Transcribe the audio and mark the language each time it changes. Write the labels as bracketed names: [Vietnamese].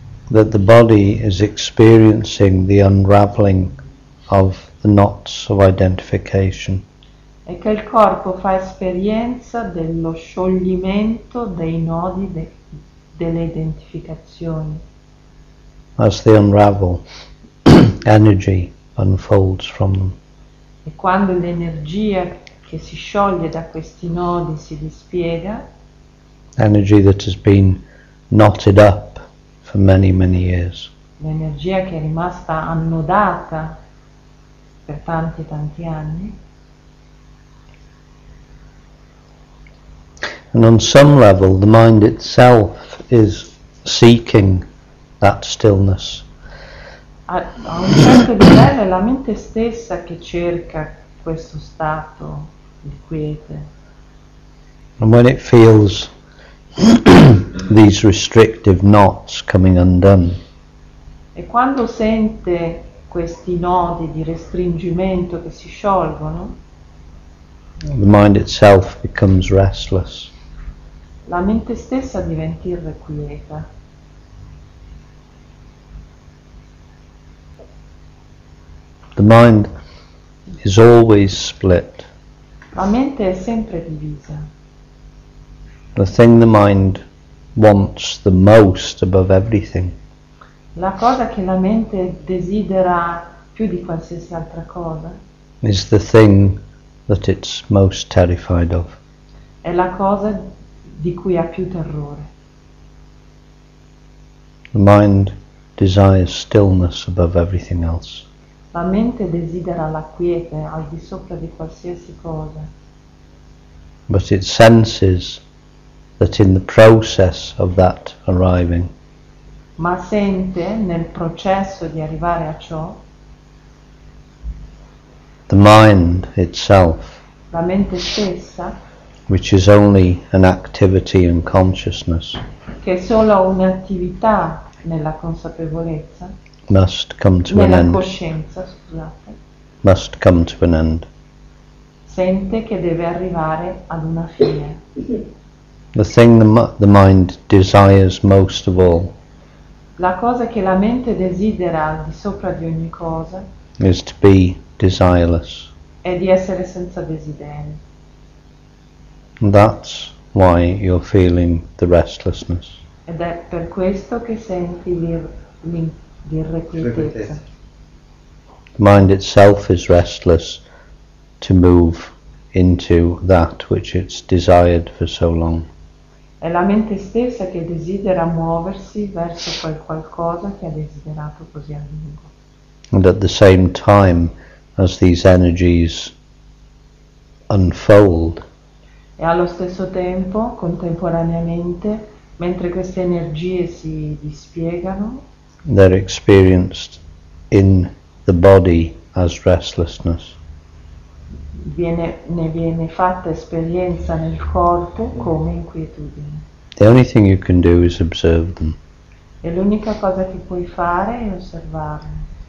[English] That the body is experiencing the unraveling of the knots of identification. [Italian] E che il corpo fa esperienza dello scioglimento dei nodi delle identificazioni. [English] As they unravel, energy unfolds from them. [Italian] E quando l'energia che si scioglie da questi nodi si dispiega, [English] energy that has been knotted up for many, many years. [Italian] L'energia che è rimasta annodata per tanti, tanti anni. [English] And on some level, the mind itself is seeking that stillness. [Italian] A un certo livello è la mente stessa che cerca questo stato di quiete. [English] And when it feels these restrictive knots coming undone. [Italian] E quando sente questi nodi di restringimento che si sciolgono. [English] The mind itself becomes restless. [Italian] La mente stessa diventa irrequieta. [English] The mind is always split. [Italian] La mente è sempre divisa. [English] The thing the mind wants the most above everything. [Italian] La cosa che la mente desidera più di qualsiasi altra cosa. [English] Is the thing that it's most terrified of. [Italian] È la cosa di cui ha più terrore. [English] The mind desires stillness above everything else. [Italian] La mente desidera la quiete al di sopra di qualsiasi cosa. [English] But it senses that in the process of that arriving, [Italian] ma sente nel processo di arrivare a ciò, [English] the mind itself, [Italian] la mente stessa, [English] which is only an activity in consciousness, [Italian] che è solo un'attività nella consapevolezza, [English] must come to an end. [Italian] Coscienza, scusate, [English] must come to an end. [Italian] Sente che deve arrivare ad una fine. [English] The thing the mind desires most of all, [Italian] la cosa che la mente desidera al di sopra di ogni cosa, [English] is to be desireless. [Italian] È di essere senza desideri. [English] That's why you're feeling the restlessness. [Italian] Ed è per questo che senti l'irrequietezza. [English] The mind itself is restless to move into that which it's desired for so long. [Italian] È la mente stessa che desidera muoversi verso quel qualcosa che ha desiderato così a lungo. [English] And at the same time as these energies unfold, [Italian] e allo stesso tempo, contemporaneamente, mentre queste energie si dispiegano, [English] they're experienced in the body as restlessness. [Italian] Ne viene fatta esperienza nel corpo come inquietudine. [English] The only thing you can do is observe them. [Italian] E l'unica cosa che puoi fare è osservarle.